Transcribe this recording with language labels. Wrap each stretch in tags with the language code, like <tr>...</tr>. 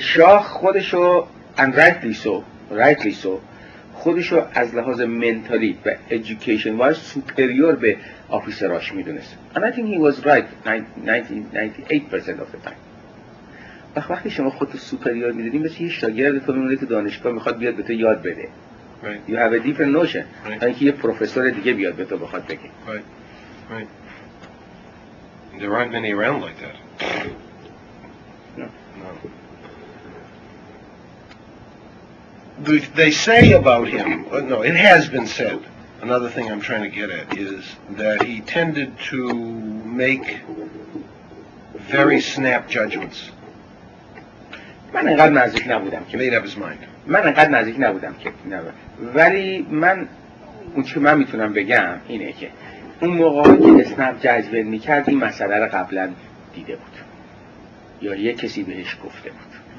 <fa>Shah Khodesho,</fa> <en>and rightly so,</en> <fa>خودشو از لحاظ منتالی و ایژوکیشن وایز سوپریور به آفیسراش میدونست.</fa> <en>And I think he was right 98% of the time.</en> <fa>وقتی شما خودتو سوپریور میدونی مثل یه شاگرد تو میمونه که دانشگاه میخواد بیاد به تو یاد بده.</fa> <en>Right. You have a different notion. Right.</en> <fa>اینکه یه پروفسور دیگه بیاد به تو بخواد بگه.</fa> <en>Right. Right. There aren't many around like that. No. They say about him, no, it has been said, another thing I'm trying to get at is that he tended to make very snap judgments.</en> <fa>من انقدر نزدیک نبودم که</fa> <en>made up his mind.</en> <fa>من انقدر نزدیک نبودم که نه. ولی من اون چه من میتونم بگم اینه که اون موقعی که snap judgment میکرد این مسئله رو قبلا دیده بود یا یه کسی بهش گفته بود.</fa>